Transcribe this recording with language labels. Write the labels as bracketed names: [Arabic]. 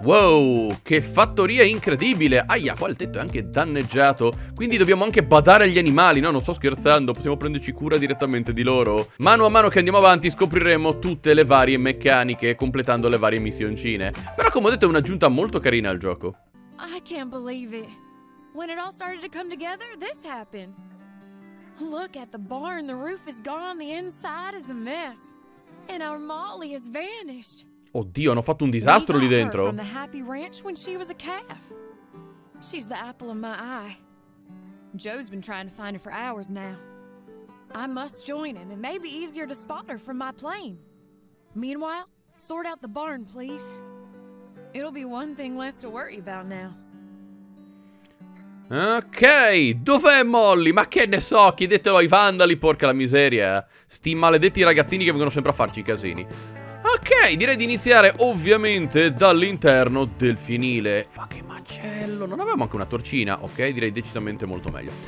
[Italian] Wow, che fattoria incredibile. Aia, qua il tetto è anche danneggiato. Quindi dobbiamo anche badare agli animali. No, non sto scherzando, possiamo prenderci cura direttamente di loro. Mano a mano che andiamo avanti scopriremo tutte le varie meccaniche, completando le varie missioncine. Però come ho detto è un'aggiunta molto carina al gioco. [English] I can't believe it. When it all started to come together, this happened. Look at the barn, the roof is gone, the inside is a mess. And our Molly has vanished. [Italian] Oddio, hanno fatto un disastro lì dentro. [English] From the happy ranch when she was a calf. She's the apple of my eye. Joe's been trying to find her for hours now. I must join him. It may be easier to spot her from my plane. Meanwhile, sort out the barn, please. It'll be one thing less to worry about now. [Italian] Ok, dov'è Molly? Ma che ne so, chiedetelo ai vandali, porca la miseria. Sti maledetti ragazzini che vengono sempre a farci i casini. Ok, direi di iniziare ovviamente dall'interno del fienile. Ma che macello, non avevamo anche una torcina? Ok, direi decisamente molto meglio.